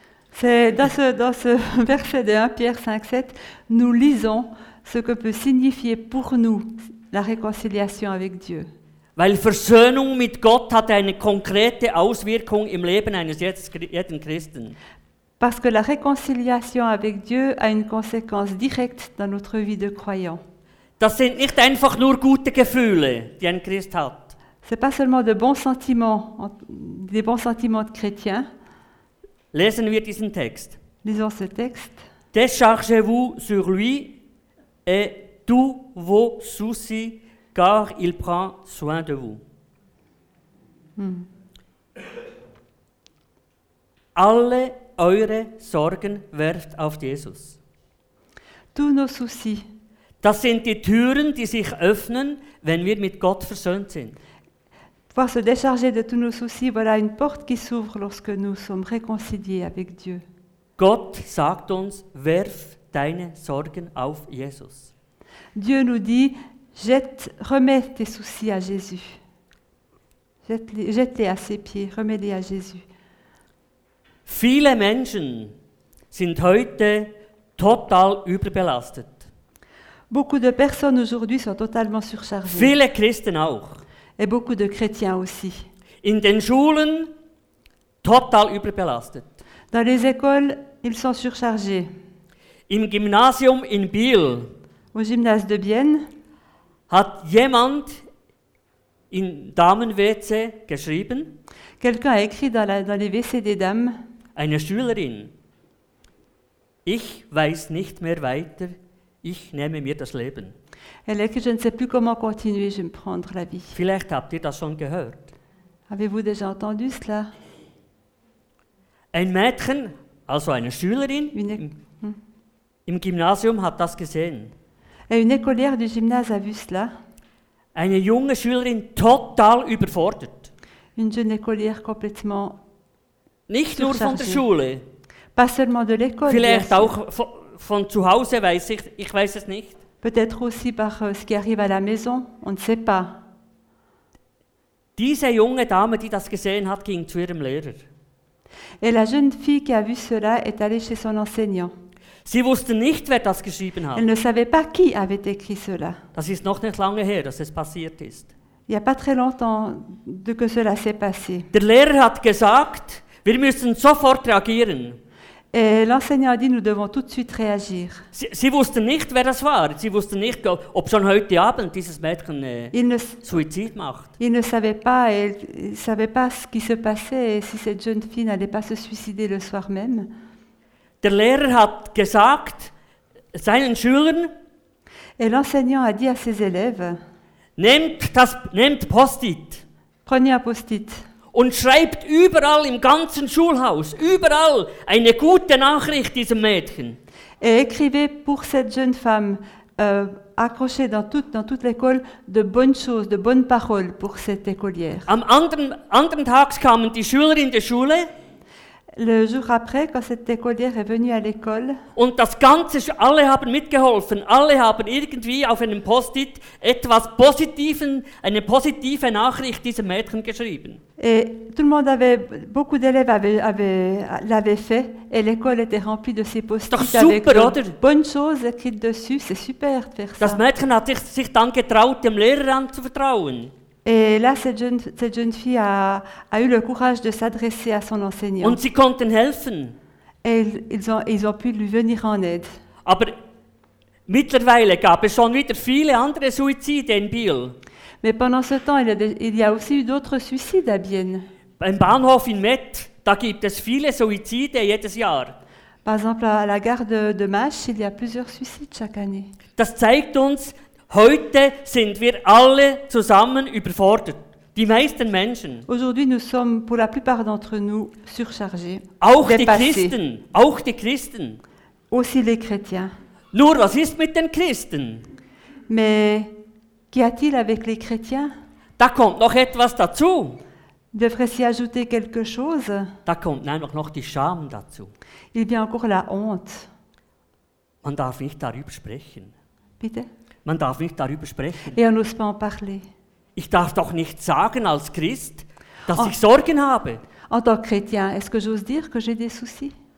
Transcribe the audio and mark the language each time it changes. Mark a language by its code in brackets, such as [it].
[fr] C'est dans ce verset de 1 Pierre 5,7, nous lisons ce que peut signifier pour nous la réconciliation avec Dieu. [de] Weil Versöhnung mit Gott hat eine konkrete Auswirkung im Leben eines jeden Christen. [fr] Parce que la réconciliation avec Dieu a une conséquence directe dans notre vie de croyant. [de] Das sind nicht einfach nur gute Gefühle, die ein Christ hat. [fr] C'est pas seulement de bons sentiments, des bons sentiments de chrétien. [de] Lesen wir diesen Text. [fr] Lisons ce texte. Déchargez-vous sur lui et tous vos soucis, car il prend soin de vous. [de] Alle eure Sorgen werft auf Jesus. [fr] Tous nos soucis. [de] Das sind die Türen, die sich öffnen, wenn wir mit Gott versöhnt sind. [fr] Pouvoir se décharger de tous nos soucis, voilà une porte qui s'ouvre lorsque nous sommes réconciliés avec Dieu. [de] Gott sagt uns, werf deine Sorgen auf Jesus. [fr] Dieu nous dit, remets tes soucis à Jésus. Jette-les à ses pieds, remets-les à Jésus. [de] Viele Menschen sind heute total überbelastet. [fr] Beaucoup de personnes aujourd'hui sont totalement surchargées. [de] Viele Christen auch. [fr] Et beaucoup de chrétiens aussi. [de] In den Schulen total überbelastet. [fr] Dans les écoles, ils sont surchargés. [de] Im Gymnasium in Biel. [fr] Au gymnase de Bienne. [de] Hat jemand in Damen-WC geschrieben? [fr] Quelqu'un a écrit dans les WC des dames. [de] Eine Schülerin. Ich weiß nicht mehr weiter. Ich nehme mir das Leben. [fr] Elle écrit, je ne sais plus comment continuer, je vais me prendre la vie. [de] Vielleicht habt ihr das schon gehört. [fr] Avez-vous déjà entendu cela? [de] Ein Mädchen, also eine Schülerin, im Gymnasium hat das gesehen. [fr] Et une écolière du gymnase a vu cela. [de] Eine junge Schülerin total überfordert. [fr] Une jeune écolière complètement [de] nicht surchargée. Nur von der Schule. [fr] Pas seulement de l'école. [de] Vielleicht auch von zu Hause, ich weiß es nicht. [fr] Peut-être aussi par ce qui arrive à la maison, on ne sait pas. [de] Diese junge Dame, die das gesehen hat, ging zu ihrem Lehrer. [fr] Et la jeune fille qui a vu cela est allée chez son enseignant. [de] Sie wusste nicht, wer das geschrieben hat. [fr] Elle ne savait pas qui avait écrit cela. [de] Das ist noch nicht lange her, dass es passiert ist. [fr] Il n'y a pas très longtemps de que cela s'est passé. [de] Der Lehrer hat gesagt, wir müssen sofort reagieren. [fr] Et l'enseignant a dit, nous devons tout de suite réagir. [de] Sie wusste nicht, wer das war. Sie wusste nicht, ob schon heute Abend dieses Mädchen Suizid macht. [fr] Il ne savait pas, elle savait pas ce qui se passait et si cette jeune fille n'allait pas se suicider le soir même. [de] Der Lehrer hat gesagt seinen Schülern. [fr] Et l'enseignant a dit à ses élèves. [de] Nehmt Post-it. [fr] Prenez un Post-it. [de] Und schreibt überall im ganzen Schulhaus, überall eine gute Nachricht diesem Mädchen. [fr] Et écrivez pour cette jeune femme, accrochez dans toute l'école de bonnes choses, de bonnes paroles pour cette écolière. [de] Am anderen Tag kamen die Schüler in die Schule. [fr] Le jour après, quand cette écolière est venue à l'école. [de] Und das Ganze, alle haben mitgeholfen, alle haben irgendwie auf einem Post-it etwas Positives, eine positive Nachricht diesem Mädchen geschrieben. [fr] Et tout le monde avait, beaucoup d'élèves l'avaient fait, et l'école était remplie de ces post-it avec de bonnes choses écrites dessus. C'est super de faire ça. [de] Das Mädchen hat sich dann getraut, dem Lehrer anzuvertrauen. [fr] Et là, cette jeune fille a eu le courage de s'adresser à son enseignant. [de] Und sie konnten helfen. [fr] Et ils ont pu lui venir en aide. [de] Aber mittlerweile gab es schon wieder viele andere Suizide in Biel. [fr] Mais pendant ce temps, il y a aussi eu d'autres suicides à Bienne. [de] Beim Bahnhof in Met, da gibt es viele Suizide jedes Jahr. [fr] Par exemple, à la gare de Mach, il y a plusieurs suicides chaque année. [de] Das zeigt uns, heute sind wir alle zusammen überfordert. Die meisten Menschen. [fr] Aujourd'hui, nous sommes pour la plupart d'entre nous surchargés. [de] Auch dépassés. Auch die Christen. [fr] Aussi les chrétiens. [de] Nur, was ist mit den Christen? [fr] Mais qu'y a-t-il avec les chrétiens? [de] Da kommt noch etwas dazu. [fr] Devrait s'y ajouter quelque chose? [de] Da kommt nämlich noch die Scham dazu. [fr] Il vient encore la honte. [de] Man darf nicht darüber sprechen. Bitte? Man darf nicht darüber sprechen. [fr] Et on n'ose pas en parler. [de] Ich darf doch nicht sagen als Christ, dass ich Sorgen habe. [fr] En tant que chrétien, est-ce que j'ose dire que j'ai des soucis?